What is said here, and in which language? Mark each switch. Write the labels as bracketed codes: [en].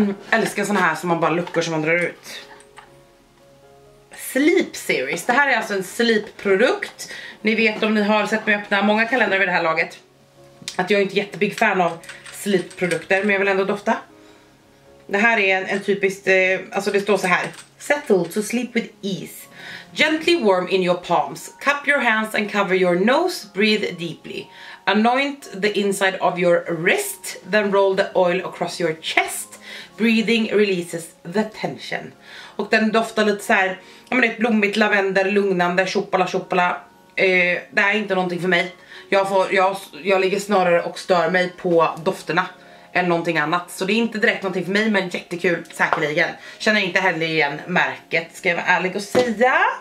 [sv] Älskar såna här som man bara luckar som man drar ut. Sleep Series, det här är alltså en sleep-produkt. Ni vet om ni har sett mig öppna många kalendrar vid det här laget att jag är inte jättebig fan av sleep-produkter, men jag vill ändå dofta. Det här är en typisk, alltså det står så här: [en] Settle to sleep with ease. Gently warm in your palms. Cup your hands and cover your nose. Breathe deeply. Anoint the inside of your wrist. Then roll the oil across your chest. Breathing releases the tension. [sv] Och den doftar lite så här, ja men det är ett blommigt lavendel, lugnande, choppala choppala. Det är inte någonting för mig. Jag ligger snarare och stör mig på dofterna än någonting annat. Så det är inte direkt någonting för mig, men jättekul säkerligen. Känner inte heller igen märket, ska jag vara ärlig och säga.